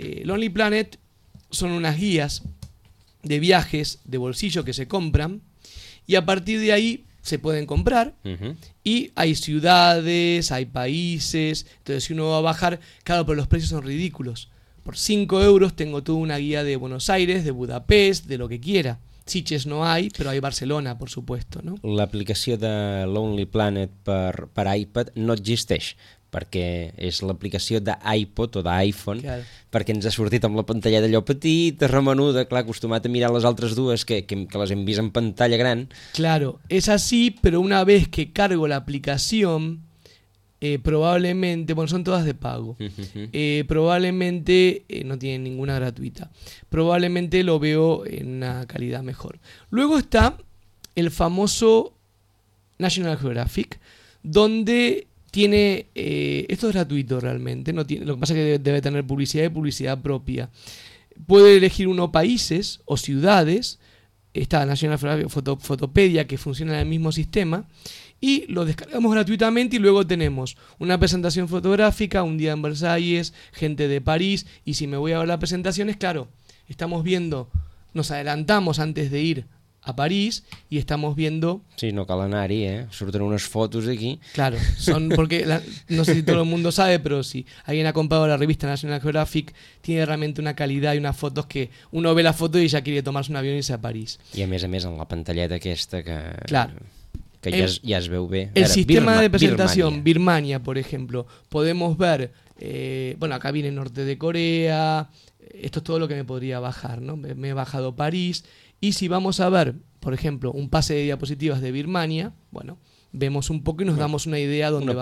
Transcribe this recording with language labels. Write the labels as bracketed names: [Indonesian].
[Spanish] Lonely Planet son unas guías de viajes de bolsillo que se compran y a partir de ahí se pueden comprar uh-huh. y hay ciudades, hay países. Entonces, si uno va a bajar, claro, pero los precios son ridículos. Por 5 euros tengo toda una guía de Buenos Aires, de Budapest, de lo que quiera. [Catalan] Sitges no hay, però hi ha Barcelona, per supuesto, no? L'aplicació de Lonely Planet per iPad no existeix, perquè és l'aplicació d'iPod o d'iPhone, claro. Perquè ens ha sortit amb la pantalla d'allò petit, remenuda, clar, acostumat a mirar les altres dues, que les hem vist en pantalla gran. [Spanish] Claro, [Catalan] és així, però [Spanish] una vez que cargo l'aplicació, probablemente, bueno, son todas de pago. Probablemente no tienen ninguna gratuita. Probablemente lo veo en una calidad mejor. Luego está el famoso National Geographic, donde tiene esto es gratuito realmente. No tiene, lo que pasa es que debe tener publicidad y publicidad propia. Puede elegir uno países o ciudades. Está National Geographic Fotopedia, que funciona en el mismo sistema. Y lo descargamos gratuitamente y luego tenemos una presentación fotográfica, un día en Versalles, gente de París. Y si me voy a ver las presentaciones, claro, estamos viendo, nos adelantamos antes de ir a París y estamos viendo... [Catalan] Sí, no cal anar-hi, ¿eh? [Spanish] Surten unas fotos de aquí. Claro, son porque la, no sé si todo el mundo sabe, pero si alguien ha comprado la revista National Geographic, tiene realmente una calidad y unas fotos que uno ve la foto y ya quiere tomarse un avión y irse a París. [Catalan] Y a més, en la pantalleta aquesta que... [Spanish] Claro. [Catalan] Que ja, ja es veu bé. [Spanish] El ara, sistema de presentació, Birmania, por ejemplo, podemos ver, bueno, acá viene Norte de Corea, esto es todo lo que me podría bajar, ¿no? Me he bajado París, y si vamos a ver, por ejemplo, un pase de diapositivas de Birmania, bueno, vemos un poco y nos damos una idea dónde